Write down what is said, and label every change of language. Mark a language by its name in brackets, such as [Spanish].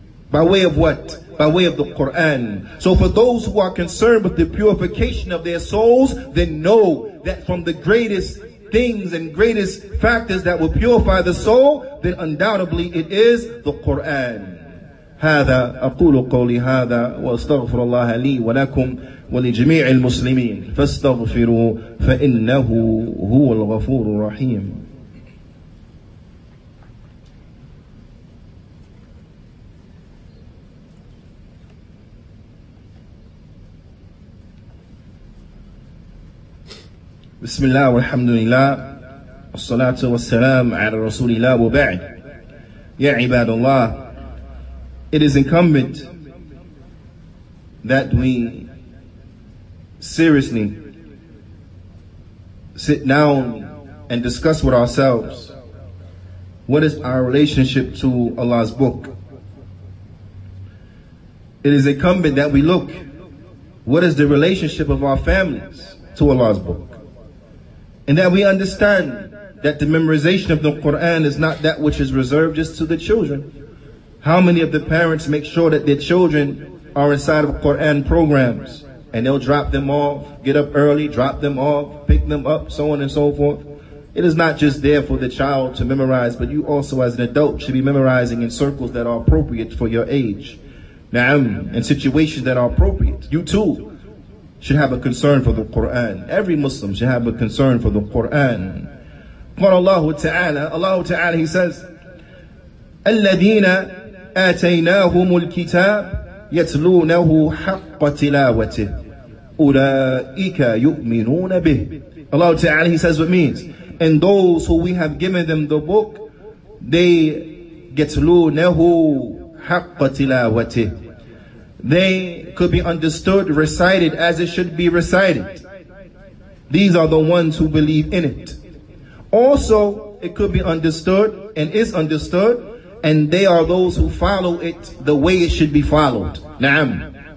[English] By way of what? By way of the Quran. So for those who are concerned with the purification of their souls, then know that from the greatest things and greatest factors that will purify the soul, then undoubtedly it is the Quran. [Arabic] هذا أقول قولي هذا وأستغفر الله لي ولكم ولجميع المسلمين فاستغفروا فإنه هو الغفور الرحيم. بسم الله والحمد لله والصلاة والسلام على رسول الله وبعد. يا عباد الله, [English] it is incumbent that we seriously sit down and discuss with ourselves what is our relationship to Allah's book. It is incumbent that we look what is the relationship of our families to Allah's book, and that we understand that the memorization of the Quran is not that which is reserved just to the children. How many of the parents make sure that their children are inside of Quran programs, and they'll drop them off, get up early, drop them off, pick them up, so on and so forth? It is not just there for the child to memorize, but you also as an adult should be memorizing in circles that are appropriate for your age. Na'am, in situations that are appropriate, you too should have a concern for the Quran. Every Muslim should have a concern for the Quran. [Arabic] قال الله تعالى, الله تعالى, [English] he says, [Arabic] الذين آتيناهم الكتاب يتلونه حق تلاوته أولئك يؤمنون به. [English] Allah Ta'ala, he says what means, and those who we have given them the book, they [Arabic] يتلونه حق تلاوته, [English] they could be understood, recited as it should be recited. These are the ones who believe in it. Also, it could be understood and is understood, and they are those who follow it the way it should be followed. Na'am.